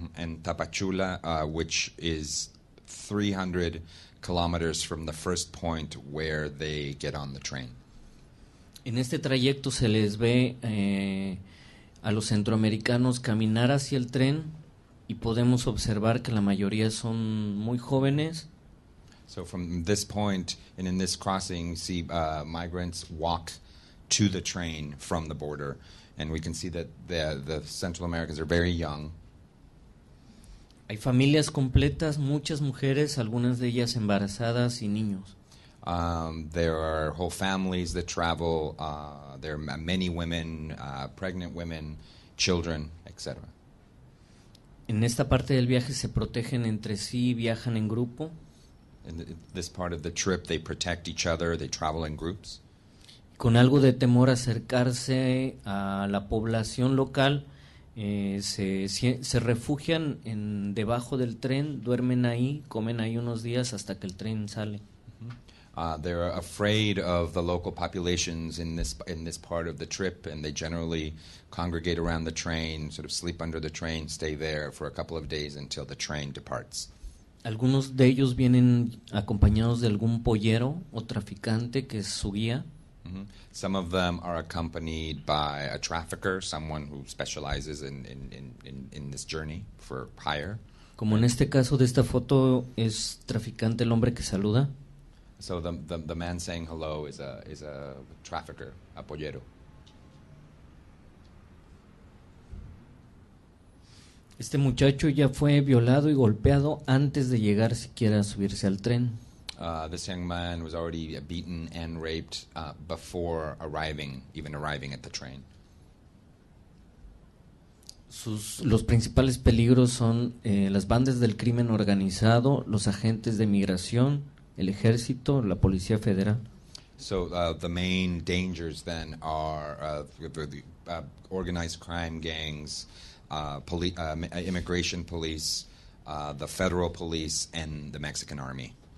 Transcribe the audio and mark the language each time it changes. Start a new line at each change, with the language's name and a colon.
English: En Tapachula, which is 300 kilometers from the first point where they get on the train.
Spanish: En este trayecto se les ve a los centroamericanos caminar hacia el tren, y podemos observar que la mayoría son muy jóvenes.
English: So from this point and in this crossing, see migrants walk to the train from the border, and we can see that the Central Americans are very young.
Spanish: Hay familias completas, muchas mujeres, algunas de ellas embarazadas y niños.
English: There are whole families that travel. There are many women, pregnant women, children, etc.
Spanish: En esta parte del viaje se protegen entre sí, viajan en grupo.
English: In this part of the trip, they protect each other. They travel in groups.
Spanish: Con algo de temor a acercarse a la población local, se refugian debajo del tren, duermen ahí, comen ahí unos días hasta que el tren sale.
English: They're afraid of the local populations in this part of the trip, and they generally congregate around the train, sort of sleep under the train, stay there for a couple of days until the train departs.
Spanish: Algunos de ellos vienen acompañados de algún pollero o traficante que es su guía. Mm-hmm.
English: Some of them are accompanied by a trafficker, someone who specializes in this journey for hire.
Spanish: Como en este caso de esta foto, es traficante el hombre que saluda.
English: So the man saying hello is a trafficker, a pollero.
Spanish: Este muchacho ya fue violado y golpeado antes de llegar siquiera a subirse al tren.
English: This young man was already beaten and raped before arriving at the train.
Spanish: Los principales peligros son las bandas del crimen organizado, los agentes de migración, el ejército, la policía federal.
English: So the main dangers then are organized crime gangs, immigration police, the federal police, and the Mexican army.